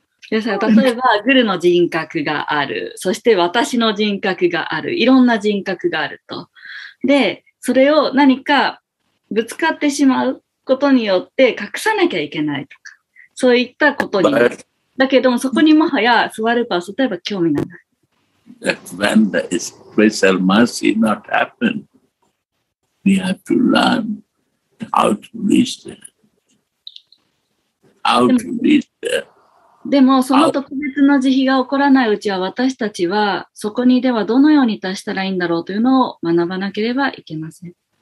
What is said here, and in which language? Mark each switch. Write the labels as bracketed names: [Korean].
[Japanese] ですから例えばグルの人格がある、そして私の人格がある、いろんな人格があると。でそれを何かぶつかってしまうことによって隠さなきゃいけないとか、そういったことに、だけどもそこにもはやスワルパは例えば興味がない。 [English] That's when the special mercy not happen. We have to learn how to reach there. How to reach there. [Japanese] でもその特別な慈悲が起こらないうちは、私たちはそこにではどのように達したらいいんだろうというのを学ばなければいけません。